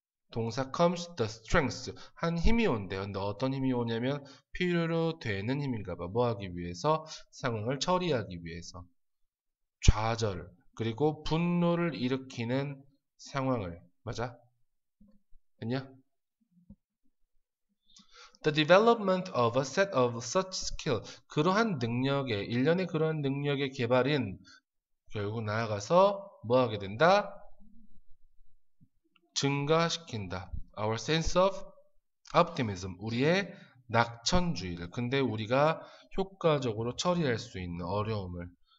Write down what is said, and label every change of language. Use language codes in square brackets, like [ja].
[ko] 동사 [en] comes the strength. [ko] 한 힘이 온대. 근데 어떤 힘이 오냐면 필요로 되는 힘인가 봐. 뭐 하기 위해서? 상황을 처리하기 위해서. 좌절. 그리고 분노를 일으키는 상황을. 맞아? 됐냐? [en] The development of a set of such skill. [ko] 그러한 능력의, 일련의 그러한 능력의 개발은 결국 나아가서 뭐 하게 된다? 증가시킨다. [en] Our sense of optimism. [ko] 우리의 낙천주의를. 근데 우리가 효과적으로 처리할 수 있는 어려움을.